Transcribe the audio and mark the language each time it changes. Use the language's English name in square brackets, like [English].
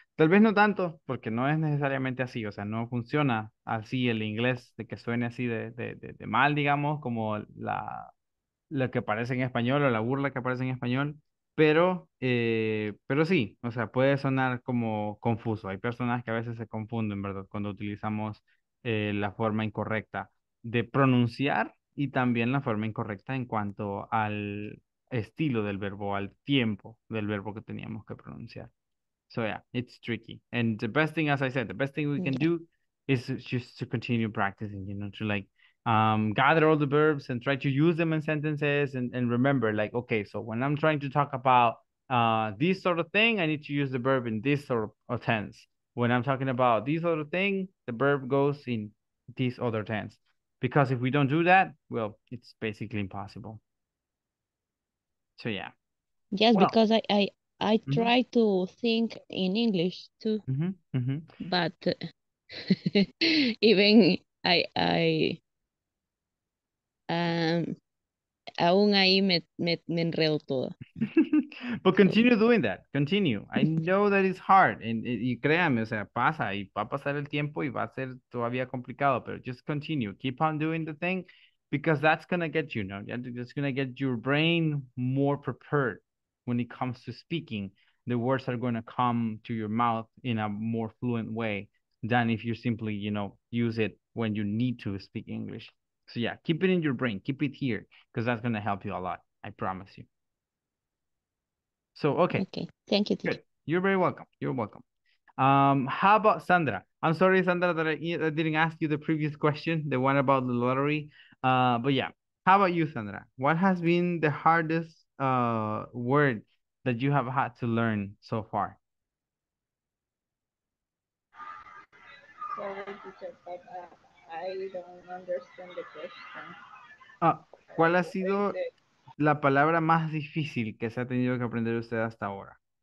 [Spanish] Tal vez no tanto, porque no es necesariamente así, o sea, no funciona así el inglés, de que suene así de mal, digamos, como lo que aparece en español, o la burla que aparece en español, pero sí, o sea, puede sonar como confuso. Hay personas que a veces se confunden, ¿verdad?, cuando utilizamos la forma incorrecta de pronunciar, y también la forma incorrecta en cuanto al estilo del verbo, al tiempo del verbo que teníamos que pronunciar. [English] So yeah, it's tricky. And the best thing, as I said, the best thing we can do is just to continue practicing, you know, to, like, gather all the verbs and try to use them in sentences, and remember, like, okay, so when I'm trying to talk about this sort of thing, I need to use the verb in this sort of tense. When I'm talking about this sort of thing, the verb goes in this other tense. Because if we don't do that, well, it's basically impossible. So yeah. Yes, well, because I mm-hmm. try to think in English too. Mm-hmm, mm-hmm. But even [Spanish] aún ahí me enredo todo. [English] But continue doing that. Continue. I know that it's hard. [Spanish] Y créame, o sea, pasa. Y va a pasar el tiempo y va a ser todavía complicado. Pero [English] just continue. Keep on doing the thing. Because that's going to get you, you know. That's going to get your brain more prepared when it comes to speaking. The words are going to come to your mouth in a more fluent way than if you simply, you know, use it when you need to speak English. So yeah, keep it in your brain. Keep it here. Because that's going to help you a lot. I promise you. So, okay. Okay. Thank you. Good. You're very welcome. You're welcome. How about Sandra? I'm sorry, Sandra, that I didn't ask you the previous question, the one about the lottery. But yeah, how about you, Sandra? What has been the hardest word that you have had to learn so far? Sorry, teacher, but I don't understand the question. [Spanish] ¿Cuál ha sido la palabra más difícil que se ha tenido que aprender usted hasta ahora?